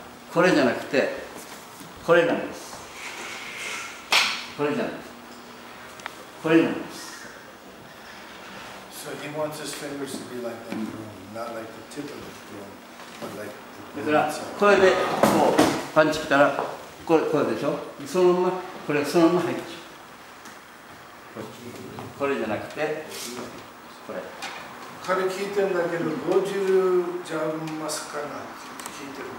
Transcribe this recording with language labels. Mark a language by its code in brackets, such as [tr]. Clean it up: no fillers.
[ja] これじゃなくて、これなんです。 [en] So he wants his fingers to be like the broom, not like the tip of the broom, but like the broom. [ja] だから、これでこうパンチ来たら、これこれでしょ?そのまま。これそのまま入っちゃう。これじゃなくて、これ。彼聞いてんだけど、ゴジュルジャンマスカナって聞いてる。